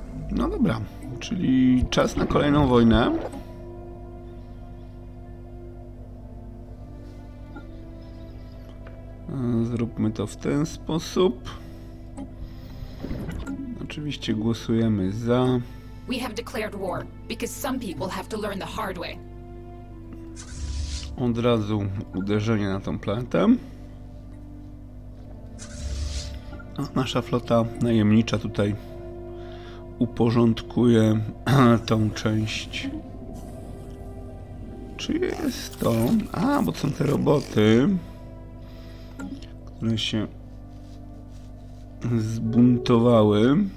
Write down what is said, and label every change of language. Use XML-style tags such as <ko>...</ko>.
<pl>No dobra, czyli czas na kolejną wojnę. Zróbmy to w ten sposób. Oczywiście głosujemy za.</pl> <en>We have declared war because some people have to learn the hard way.</en> <pl>Od razu uderzenie na tą planetę. A nasza flota najemnicza tutaj uporządkuje tą część. Czy jest to? A, bo są te roboty, które się zbuntowały.</pl>